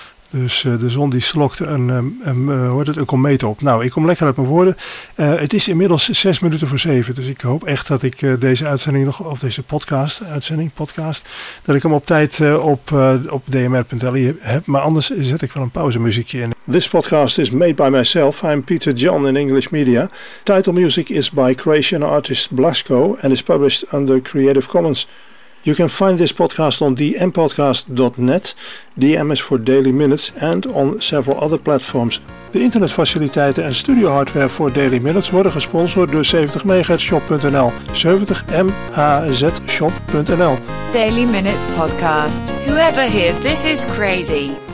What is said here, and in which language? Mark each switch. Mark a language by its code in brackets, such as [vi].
[nl] Dus de zon die slokte een komeet op. Nou, ik kom lekker uit mijn woorden. Het is inmiddels 6:56. Dus ik hoop echt dat ik deze uitzending nog, of deze podcast, dat ik hem op tijd op dmr.li heb. Maar anders zet ik wel een pauzemuziekje in. [en] This podcast is made by myself. I'm Peter John in English Media. Title music is by Croatian artist Blasco and is published under Creative Commons. You can find this podcast on dmpodcast.net, DM is for Daily Minutes, and on several other platforms. [nl] De internetfaciliteiten en studio hardware voor Daily Minutes worden gesponsord door 70MHzShop.nl. 70MHzShop.nl. [en] Daily Minutes Podcast. Whoever hears this is crazy.